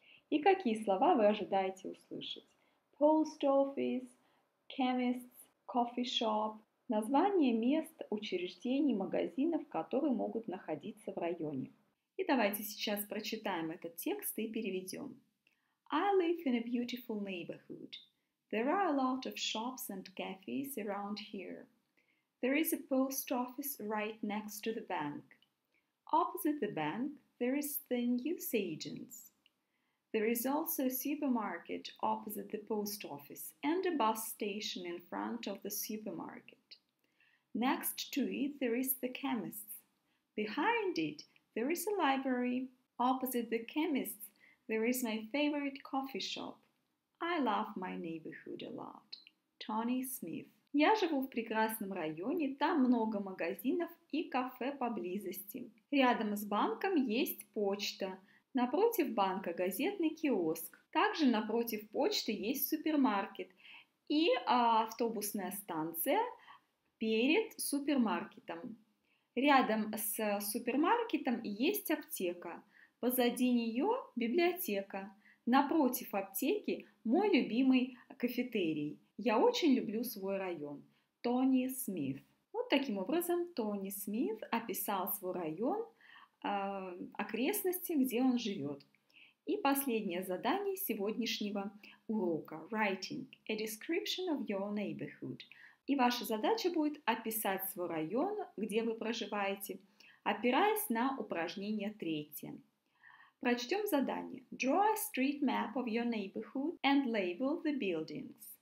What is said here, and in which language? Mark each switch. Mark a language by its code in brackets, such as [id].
[ru] И какие слова вы ожидаете услышать? [en] Post office, chemists, coffee shop. [ru] Название мест, учреждений, магазинов, которые могут находиться в районе. И давайте сейчас прочитаем этот текст и переведем. [en] I live in a beautiful neighborhood. There are a lot of shops and cafes around here. There is a post office right next to the bank. Opposite the bank, there is the newsagents. There is also a supermarket opposite the post office and a bus station in front of the supermarket. Next to it, there is the chemist's. Behind it, there is a library. Opposite the chemist's, there is my favorite coffee shop. I love my neighborhood a lot. Tony Smith. [ru] Я живу в прекрасном районе, там много магазинов и кафе поблизости. Рядом с банком есть почта. Напротив банка газетный киоск. Также напротив почты есть супермаркет и автобусная станция перед супермаркетом. Рядом с супермаркетом есть аптека. Позади нее библиотека. Напротив аптеки мой любимый кафетерий. Я очень люблю свой район. Тони Смит. Вот таким образом Тони Смит описал свой район, окрестности, где он живет. И последнее задание сегодняшнего урока. [en] Writing. A description of your neighborhood. [ru] и ваша задача будет описать свой район, где вы проживаете, опираясь на упражнение третье. Прочтем задание. [en] Draw a street map of your neighborhood and label the buildings.